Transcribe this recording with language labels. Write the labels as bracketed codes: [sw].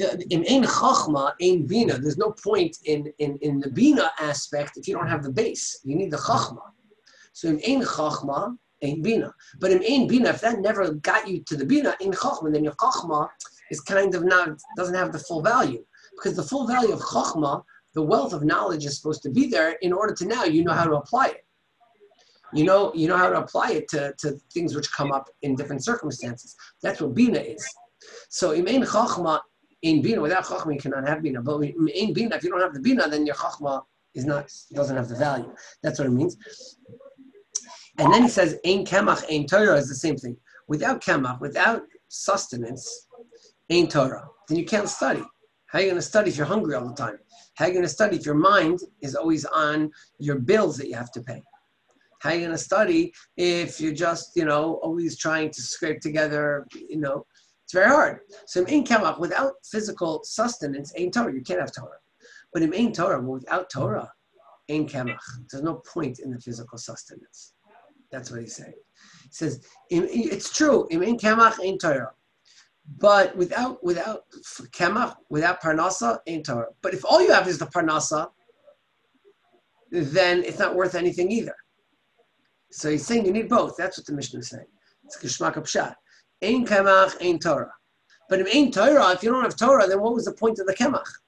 [he] Im ein chachma, ein bina. [en] There's no point in the bina aspect if you don't have the base. You need the chachma. [he] So im ein chachma, ein bina. [en] But [he] im ein bina, [en] if that never got you to the bina, [he] ein chachma, [en] then your chachma is kind of not, doesn't have the full value. Because the full value of chachma, the wealth of knowledge is supposed to be there in order to now you know how to apply it. You know how to apply it to things which come up in different circumstances. That's what Bina is. So [he] im ein chachma, ein Bina, [en] without chachma you cannot have Bina. But [he] im ein Bina, [en] if you don't have the Bina, then your chachma is not, doesn't have the value. That's what it means. And then he says, [he] ein kemach, ein Torah [en] is the same thing. Without kemach, without sustenance, [he] ein Torah. [en] Then you can't study. How are you going to study if you're hungry all the time? How are you going to study if your mind is always on your bills that you have to pay? How are you going to study if you're just, you know, always trying to scrape together, you know? It's very hard. So [he] im ein kemach, [en] without physical sustenance, [he] ein Torah. [en] You can't have Torah. But [he] im ein Torah, [en] without Torah, [he] ein kemach. [en] There's no point in the physical sustenance. That's what he's saying. He says, it's true, [he] im ein kemach, ein Torah. [en] But without kemach, without parnasa, [he] ein Torah. [en] But if all you have is the parnasa, then it's not worth anything either. So he's saying you need both. That's what the Mishnah is saying. It's Geshmak HaPshat. [he] Ein kemach, ein Torah. [en] But if [he] ein Torah, [en] if you don't have Torah, then what was the point of the kemach?